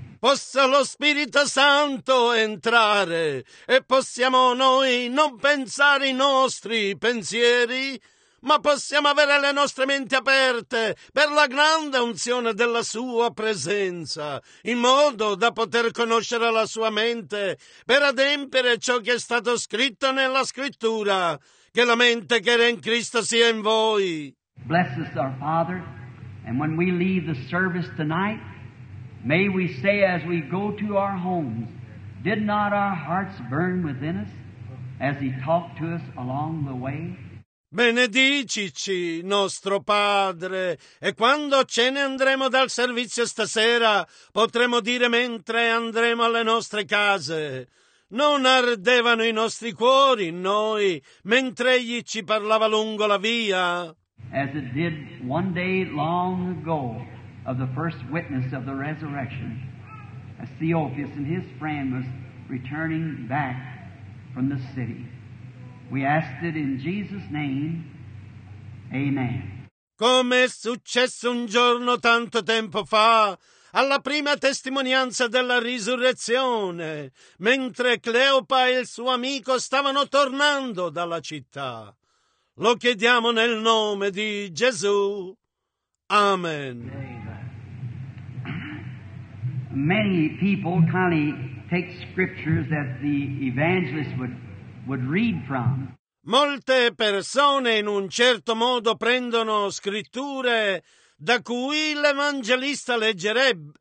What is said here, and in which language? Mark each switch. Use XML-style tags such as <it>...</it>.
<it>Possa lo Spirito Santo entrare e possiamo noi non pensare i nostri pensieri, ma possiamo avere le nostre menti aperte per la grande unzione della Sua presenza, in modo da poter conoscere la Sua mente per adempiere ciò che è stato scritto nella Scrittura, che la mente che era in Cristo sia in voi.</it> <en>Bless us our Father, and when we leave the service tonight, may we say as we go to our homes, did not our hearts burn within us as He talked to us along the way?</en> <it>Benedicici, nostro Padre, e quando ce ne andremo dal servizio stasera, potremo dire mentre andremo alle nostre case, non ardevano i nostri cuori in noi mentre Egli ci parlava lungo la via?</it> <en>As it did one day long ago, of the first witness of the resurrection, as Theophilus and his friend was returning back from the city. We asked it in Jesus' name. Amen.</en> <it>Come è successo un giorno tanto tempo fa, alla prima testimonianza della risurrezione, mentre Cleopa e il suo amico stavano tornando dalla città. Lo chiediamo nel nome di Gesù. Amen.</it> <en>Many people kindly take scriptures that the evangelist would read from.</en> <it>Molte persone in un certo modo prendono scritture da cui l'evangelista leggerebbe.</it>